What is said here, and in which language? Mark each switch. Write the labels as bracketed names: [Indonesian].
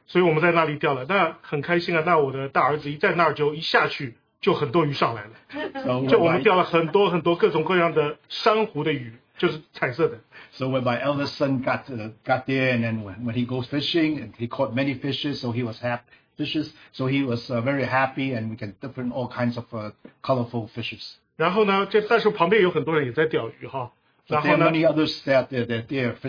[Chinese] 所以我们在那里钓了，那很开心啊。那我的大儿子一在那儿就一下去，就很多鱼上来了。就我们钓了很多很多各种各样的珊瑚的鱼，就是彩色的。 [English] So when my eldest son got there, and then when he goes fishing, and he caught many fishes, so he was happy. Fishes, so he was very happy, and we can different all kinds of colorful fishes. [Chinese] 然后呢，这但是旁边有很多人也在钓鱼哈。 [English] But there are many others that they're fishing.